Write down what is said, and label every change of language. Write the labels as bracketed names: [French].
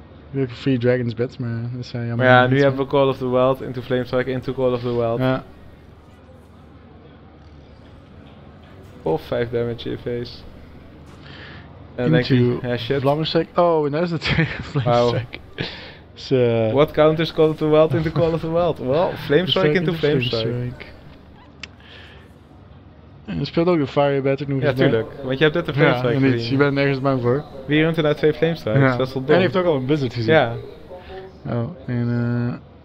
[Dutch] Nu heb ik Free Dragon's Bed, maar dat is jammer. Maar ja, nu hebben we Call of the Wild into Flamestrike into Call of the Wild. Ja. Of 5 damage in je face. En dan denk je, Flamestrike. Oh, en daar is het Flamestrike. [English] What counters Call of the Wild into Call of the Wild? Well, Flamestrike into Flamestrike. [Dutch] En speelt ook de Fire Better nu. Ja, tuurlijk. Want je hebt net een Flamestrike. Ja, niet. Je bent nergens bang voor. Wie runt er nou 2 Flamestrike? Ja. Dat is wel dom. En hij heeft ook al een Blizzard gezien. Ja. Oh, en